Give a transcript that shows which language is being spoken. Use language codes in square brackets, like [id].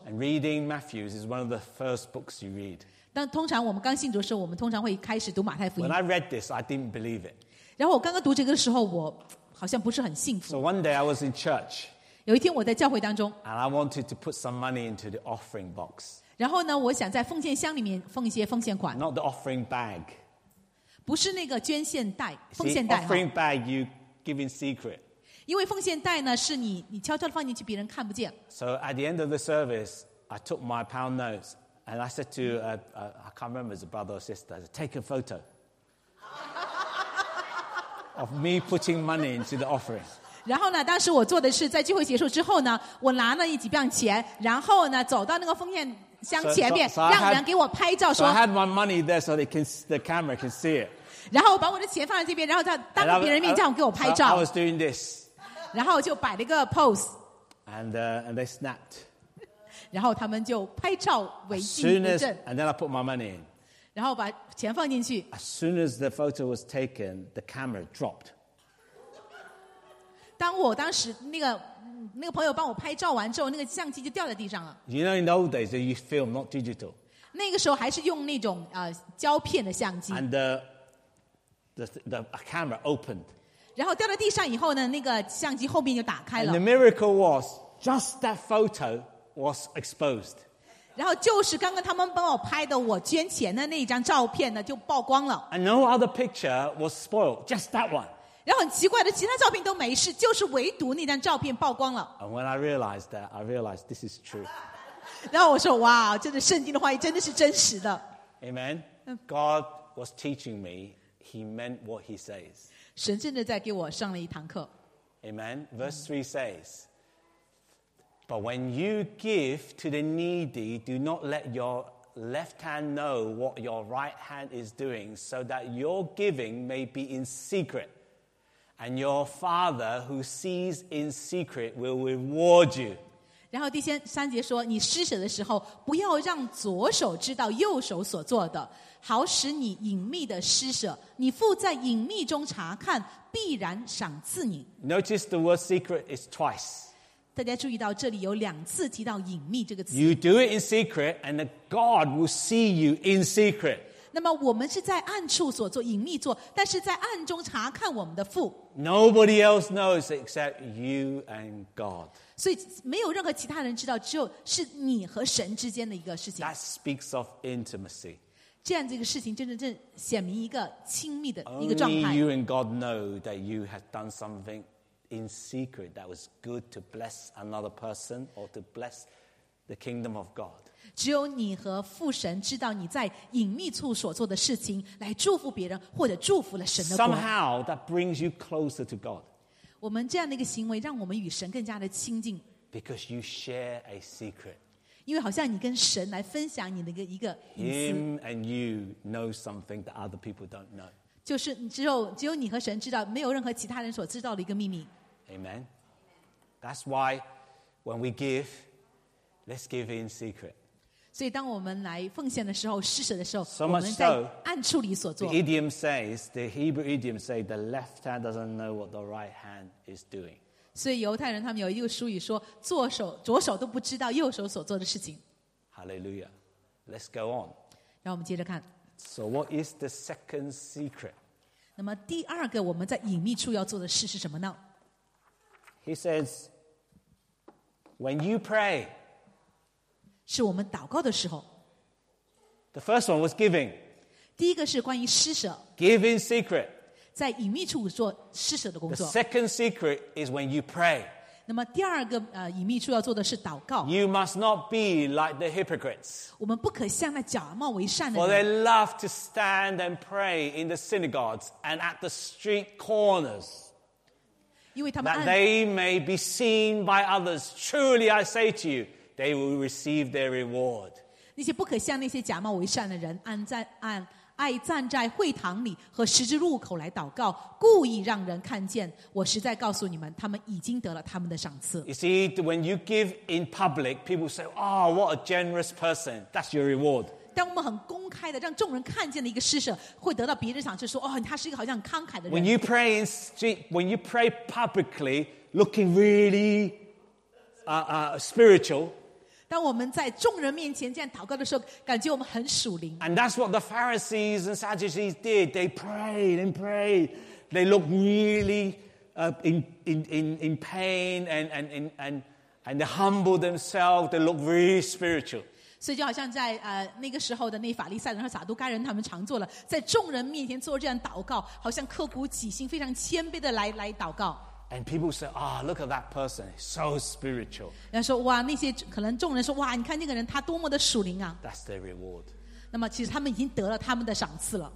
[en] And reading Matthew is one of the first books you read. [zh] 当通常我们刚信主的时候我们通常会开始读马太福音 [en] When I read this, I didn't believe it. [zh] 然后我刚刚读这个的时候我好像不是很幸福 [en] So one day I was in church. [zh] 有一天我在教会当中 [en] And I wanted to put some money into the offering box. [zh] 然后呢我想在奉献箱里面放一些奉献款 [en] Not the offering bag. [zh] 不是那个捐献袋，奉献袋。 [en] See, offering bag, you give in secret. [zh] 因为奉献袋呢，是你悄悄地放进去，别人看不见。 [en] So at the end of the service, I took my pound notes and I said to I can't remember if it was a brother or sister, I said, take a photo of me putting money into the offering. [zh] 然后呢，当时我做的是在聚会结束之后呢，我拿了一几磅钱，然后呢，走到那个奉献。箱前面 [en] so, so, so [zh] 让人给我拍照说 [en] So I had my money there so they can, the camera can see it [zh] 然后我把我的钱放在这边然后他当着别人面这样给我拍照 [en] so, I was doing this [zh] 然后就摆了一个 pose [en] And they snapped [zh] 然后他们就拍照为惊一阵 [en] as, And then I put my money in [zh] 然后把钱放进去 [en] As soon as the photo was taken the camera dropped [zh] 当我当时那个朋友帮我拍照完之后，那个相机就掉在地上了。 [en] You know, in the old days, they used film, not digital. [zh] 那个时候还是用那种胶片的相机。 [en] And the camera opened. [zh] 然后掉在地上以后呢，那个相机后面就打开了。 [en] And the miracle was just that photo was exposed. [zh] 然后就是刚刚他们帮我拍的我捐钱的那一张照片呢，就曝光了。 [en] And no other picture was spoiled, just that one. [zh] 然后很奇怪的，其他照片都没事，就是唯独那张照片曝光了。 [en] And when I realized that, I realized this is true. [zh] 然后我说，哇，真的，圣经的话语真的是真实的。 [en] Amen. God was teaching me, He meant what He says. [zh] 神真的在给我上了一堂课。 [en] Amen. Verse 3 says, But when you give to the needy, do not let your left hand know what your right hand is doing, so that your giving may be in secret. And your father who sees in secret will reward you. [zh] 然后第三节说，你施舍的时候，不要让左手知道右手所做的，好使你隐秘的施舍。你父在隐秘中查看，必然赏赐你。 [en] Notice the word secret is twice. [zh] 大家注意到这里有两次提到隐秘这个词。 [en] You do it in secret, and the God will see you in secret. [zh] 那么我们是在暗处所做隐秘做但是在暗中查看我们的父 [en] Nobody else knows except you and God [zh] 所以没有任何其他人知道只有是你和神之间的一个事情 [en] That speaks of intimacy [zh] 这样的一个事情真正显明一个亲密的一个状态 [en] Only you and God know that you have done something in secret that was good to bless another person or to bless the kingdom of God [zh] 只有你和父神知道你在隐秘处所做的事情来祝福别人或者祝福了神的国 [en] Somehow that brings you closer to God. [zh] 我们这样的一个行为让我们与神更加的亲近 [en] Because you share a secret. [zh] 因为好像你跟神来分享你的一个隐私 [en] Him and you know something that other people don't know. [zh] 就是只有你和神知道没有任何其他人所知道的一个秘密 [en] Amen. That's why when we give, let's give in secret. [zh] 所以当我们来奉献的时候施舍的时候 [en] so much [zh] 我们在暗处里所做 [en] The idiom says The Hebrew idiom says The left hand doesn't know what the right hand is doing [zh] 所以犹太人他们有一个俗语说左手都不知道右手所做的事情 [en] Hallelujah Let's go on [zh] 让我们接着看 [en] So what is the second secret? [zh] 那么第二个我们在隐秘处要做的事是什么呢 [en] He says When you pray [zh] 是我们祷告的时候 [en] The first one was giving [zh] 第一个是关于施舍 [en] Give in secret [zh] 在隐秘处做施舍的工作 [en] The second secret is when you pray [zh] 那么第二个隐秘处要做的是祷告 [en] You must not be like the hypocrites [zh] 我们不可像那假冒为善的人 [en] For they love to stand and pray in the synagogues and at the street corners That they may be seen by others Truly I say to youThey will receive their reward. [zh] 那些不可像那些假冒为善的人，爱站在会堂里和十字路口来祷告，故意让人看见。我实在告诉你们，他们已经得了他们的赏赐。 [en] You see, when you give in public, people say, "Oh, what a generous person! That's your reward." [zh] 当我们很公开的让众人看见的一个施舍，会得到别人赏赐，说，哦，他是一个好像很慷慨的人。 [en] When you pray in street, when you pray publicly, looking really spiritual. [zh] 当我们在众人面前这样祷告的时候，感觉我们很属灵。 [en] And that's what the Pharisees and Sadducees did. They prayed and prayed. They looked really in pain and they humbled themselves. They looked really spiritual. [zh] 所以就好像在那个时候的那法利赛人和撒都该人，他们常做了在众人面前做这样祷告，好像刻骨己心，非常谦卑的来祷告。 [en] And people say, "Ah,、oh, look at that person, so spiritual." [zh] 人说哇，那些可能众人说哇，你看那个人他多么的属灵啊。 [en] That's their reward. [zh] 那么其实他们已经得了他们的赏赐了。